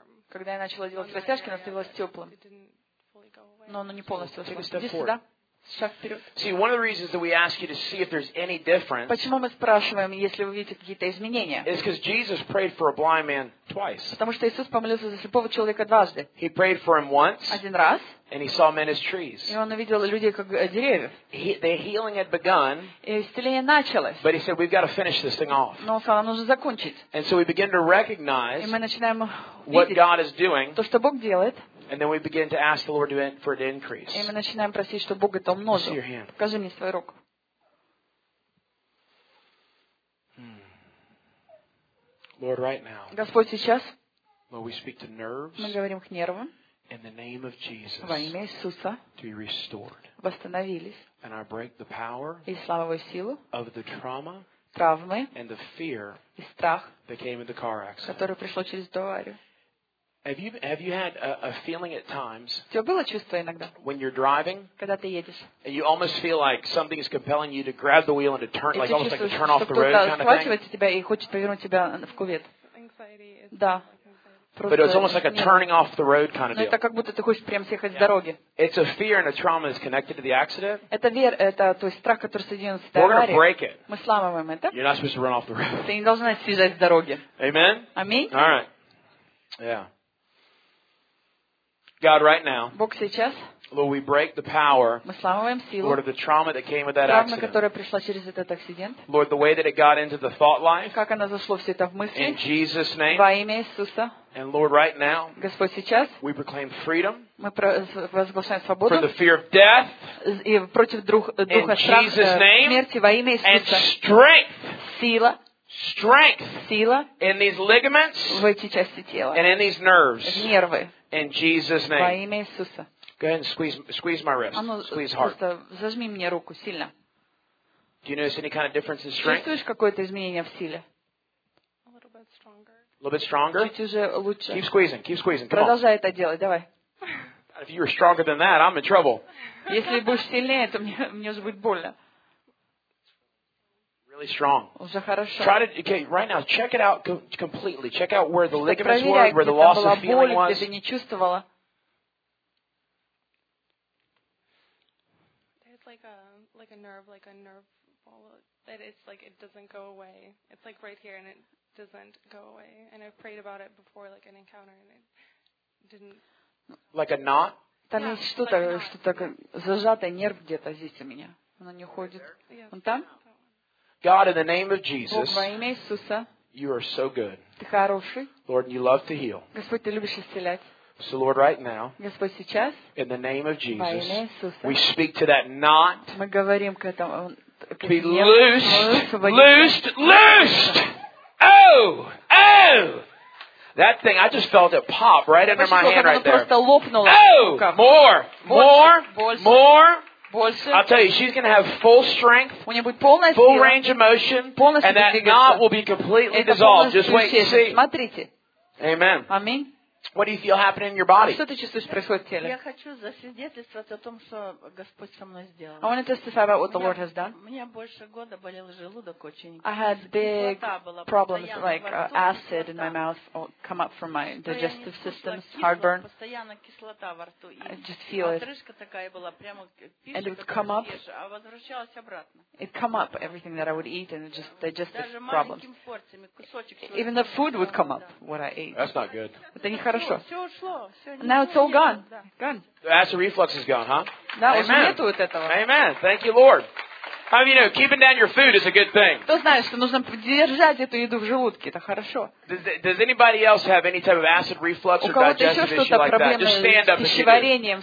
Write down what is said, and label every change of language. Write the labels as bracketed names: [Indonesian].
[Russian] Когда я начала делать растяжки, оно становилось теплым. Но оно не полностью ушло. Иди сюда. Шаг вперед. [English] See, one of the reasons that we ask you to see if there's any difference. [Russian] Почему мы спрашиваем, если вы видите какие-то изменения? [English] It's because Jesus prayed for a blind man twice. [Russian] Потому что Иисус помолился за слепого человека дважды. [English] He prayed for him once. [Russian] Один раз. [English] And he saw men as trees. [Russian] И он увидел людей как деревьев. [English] The healing had begun. [Russian] И исцеление началось. [English] But he said, "We've got to finish this thing off." [Russian] Но он сказал, нам нужно закончить. [English] And so we begin to recognize. [Russian] И мы начинаем [English] what God is doing. [Russian] То, что Бог делает. [English] And then we begin to ask the Lord for it to increase. [Russian] И мы начинаем просить, чтобы Бог это умножил. [English] See your hand. [Russian] Покажи мне свою руку. [English] Lord, right now. [Russian] Господь, сейчас. [English] Lord, we speak to nerves. [Russian] Мы говорим к нервам. [English] In the name of Jesus. [Russian] Во имя Иисуса. [English] To be restored. [Russian] Восстановились. [English] And I break the power. [Russian] И славу и силу. [English] Of the trauma. [Russian] Травмы. [English] And the fear. [Russian] И страх. [English] That came in the car accident. [Russian] Которое пришло через аварию. [English] Have you had a feeling at times? [Russian] У тебя было чувство иногда? [English] When you're driving? [Russian] Когда ты едешь? [English] And you almost feel like something is compelling you to grab the wheel and to turn, like almost like to turn off the road kind of thing. [Russian] Кто-то схватывает тебя и хочет повернуть тебя в кювет. Да. [English] But it's almost like a turning off the road kind of deal. [Russian] Это как будто ты хочешь прямо съехать с дороги. [English] It's a fear and a trauma is connected to the accident. [Russian] Это страх, который соединен с аварией. [English] We're gonna break it. [Russian] Мы сломаем это. [English] You're not supposed to run off the road. [Russian] Ты не должна съезжать с дороги. [English] Amen. [Russian] Аминь. [English] All right. Yeah. God, right now. [Russian] Бог сейчас. [English] Lord, we break the power. [Russian] Мы сломаем силу. [English] Lord, of the trauma that came with that accident. [Russian] Травма, которая пришла через этот акцидент. [English] Lord, the way that it got into the thought life. [Russian] Как она зашла все это в мысли. [English] In Jesus' name. [Russian] Во имя Иисуса. [English] And Lord, right now. [Russian] Господь сейчас. [English] We proclaim freedom. [Russian] Мы провозглашаем свободу. [English] For the fear of death. [Russian] И против духа страха смерти во имя Иисуса. [English] And strength. [Russian] Сила. [English] Strength. [Russian] Сила. [English] In these ligaments. [Russian] В эти части тела. [English] And in these nerves. [Russian] В нервы. [English] In Jesus' name. [Russian] Во имя Иисуса. [English] Go ahead and squeeze my wrist. Squeeze hard. [Russian] Просто зажми мне руку сильно. [English] Do you notice any kind of difference in strength? [Russian] Чувствуешь какое-то изменение в силе? [English] A little bit stronger. A little bit stronger. [Russian] Чуть уже лучше. [English] Keep squeezing. Keep squeezing. Come [Russian] продолжай [English] on. [Russian] Это делать. Давай. [English] If you were stronger than that, I'm in trouble. [Russian] Если будешь сильнее, то мне уже будет больно. [English] Really strong. [Russian] Уже хорошо. [English] Try to okay, right now. Check it out completely. Check out where the ligaments were, where the loss of feeling was. [Russian] Где ты не чувствовала? [English] It's like a nerve ball that it's like it doesn't go away. It's like right here and it doesn't go away. And I've prayed about it before like an encounter and it didn't. Like a knot? [Russian] Там есть что-то зажатый нерв где-то здесь у меня. Оно не уходит. Он там? [English] God, in the name of Jesus, [Russian] Бог, во имя Иисуса, [English] you are so good. [Russian] Ты хороший. [English] Lord, you love to heal. [Russian] Господь, ты любишь исцелять. [English] So, Lord, right now, [Russian] Господь, сейчас, [English] in the name of Jesus, [Russian] во имя Иисуса, [English] we speak to that knot. [Russian] Мы говорим к этому. [English] Be loosed, loosed, loosed. Oh, oh. That thing, I just felt it pop right under my hand right there. [Russian] Просто лопнуло. [English] Oh, more, more, [Russian] больше, [English] more. [Russian] Больше. [English] I'll tell you, she's going to have full strength, full [Russian] сила, [English] range of motion, [Russian] полностью [English] and that [Russian] двигаться. [English] Knot will be completely [Russian] это [English] dissolved. Just wait and see. [Russian] Смотрите. [English] Amen. [Russian] Аминь. [English] What do you feel happening in your body? [Russian] Что ты чувствуешь происходит в теле? Я хочу засвидетельствовать о том, что Господь со мной сделал. [English] I want to testify about what the Lord has done. [Russian] У меня больше года болел желудок очень. [English] I had big problems like acid in my mouth come up from my digestive systems, heartburn. [Russian] Постоянно кислота во рту. [English] I just feel it. [Russian] Отрыжка такая была прямо. [English] And it would come up. [Russian] А возвращалась обратно. [English] It come up everything that I would eat and just digestive problems. [Russian] Даже маленькими порциями кусочек. [English] Even the food would come up what I ate. That's not good. Now it's all gone. Gone. The acid reflux is gone, huh? Amen. Amen. Thank you, Lord. How do you know keeping down your food is a good thing? [Russian] Кто знает, что нужно держать эту еду в желудке, это хорошо. [English] Does anybody else have any type of acid reflux or digestive issue like that? [Russian] У кого-то еще что-то проблемы с пищеварением?